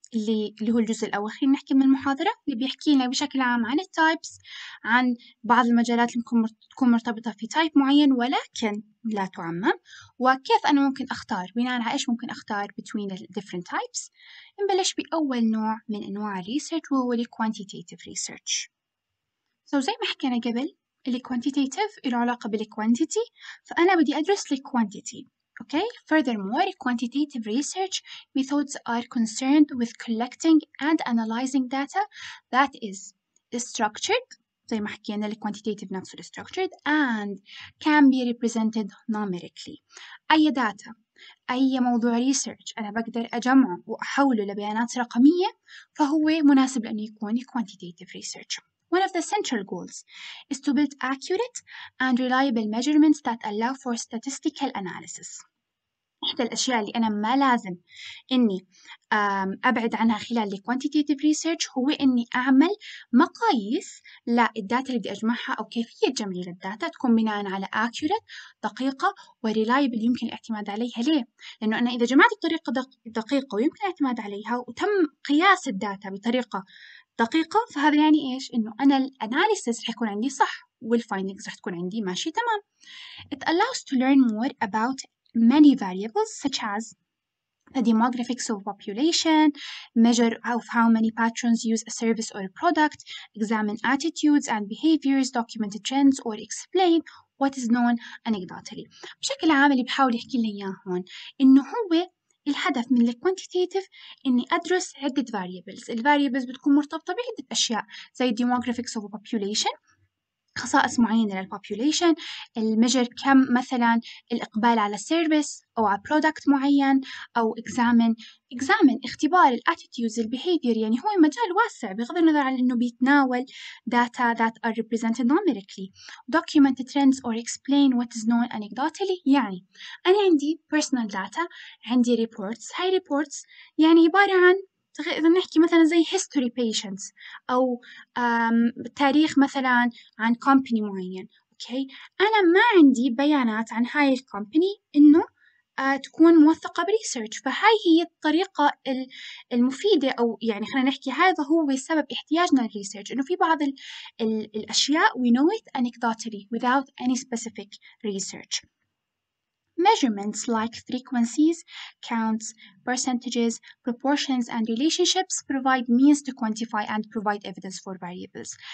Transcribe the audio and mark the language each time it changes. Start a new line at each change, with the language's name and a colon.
Arabic: اللي هو الجزء الأواخر نحكي من المحاضرة، اللي بيحكي لنا بشكل عام عن التايبس، عن بعض المجالات اللي ممكن تكون مرتبطة في تايب معين ولكن لا تعمم، وكيف أنا ممكن أختار بناء على إيش ممكن أختار
English: between the different types.
Arabic: نبلش بأول نوع من أنواع الريسيرش وهو الـ quantitative research. So زي ما حكينا قبل الـ quantitative له علاقة بالـ quantity، فأنا بدي أدرس الـ quantity.
English: Okay. Furthermore, quantitative research methods are concerned with collecting and analyzing data that is structured.
Arabic: زي ما حكينا الـ quantitative نفسه الـ
English: structured and can be represented numerically.
Arabic: أي data، أي موضوع research أنا بقدر أجمعه وأحوله لبيانات رقمية فهو مناسب لأنه يكون quantitative research.
English: One of the central goals is to build accurate and reliable measurements that allow for statistical analysis.
Arabic: إحدى الأشياء اللي أنا ما لازم إني أبعد عنها خلال الـ quantitative research هو إني أعمل مقاييس للداتا اللي بدي أجمعها أو كيفية جمع الداتا تكون بناء على accurate، دقيقة وreliable يمكن الاعتماد عليها. ليه؟ لأنه أنا إذا جمعت بطريقة دقيقة ويمكن الاعتماد عليها وتم قياس الداتا بطريقة دقيقة، فهذا يعني إيش؟ إنه أنا الأناليسيس رح يكون عندي صح والفايندينجز رح تكون عندي ماشي تمام.
English: It allows to learn more about many variables such as the demographics of population, measure of how many patrons use a service or a product, examine attitudes and behaviors, document trends or explain what is known anecdotally.
Arabic: بشكل عام اللي بحاول يحكي لنا إياه هون إنه هو الهدف من الـ quantitative إني أدرس عدة variables. الـ variables بتكون مرتبطة بعدة أشياء زي
English: demographics of a population،
Arabic: خصائص معينة للـ population، المجر كم مثلاً الإقبال على service أو على product معين، أو examine اختبار الـ attitudes الـ behavior. يعني هو مجال واسع بغض النظر عن إنه بيتناول
English: data that are represented numerically. Document trends or explain what is known anecdotally.
Arabic: يعني أنا عندي personal data، عندي reports. هاي reports يعني عبارة عن إذا نحكي مثلا زي history patients أو تاريخ مثلا عن company معين.
English: okay.
Arabic: أنا ما عندي بيانات عن هاي الكمباني إنه تكون موثقة بريسيرش، فهاي هي الطريقة المفيدة، أو يعني خلينا نحكي هذا هو سبب احتياجنا للريسيرش، إنه في بعض الأشياء
English: we know it anecdotally without any specific research. Measurements like frequencies, counts, percentages, proportions, and relationships provide means to quantify and provide evidence for variables.